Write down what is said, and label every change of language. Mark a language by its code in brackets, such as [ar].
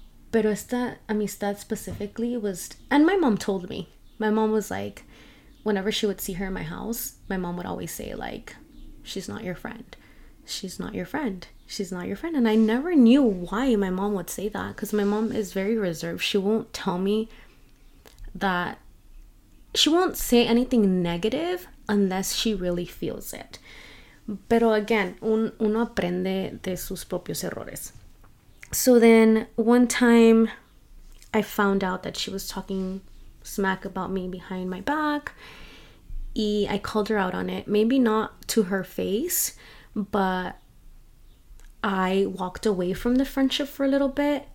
[es] Pero esta amistad [en] specifically was, and my mom told me, my mom was like, whenever she would see her in my house, my mom would always say like, she's not your friend, she's not your friend, she's not your friend. And I never knew why my mom would say that, because my mom is very reserved. She won't tell me that, she won't say anything negative unless she really feels it. [es] Pero [en] again, [es] uno aprende de sus propios errores. [en] So then one time I found out that she was talking smack about me behind my back. Y I called her out on it. Maybe not to her face, but I walked away from the friendship for a little bit.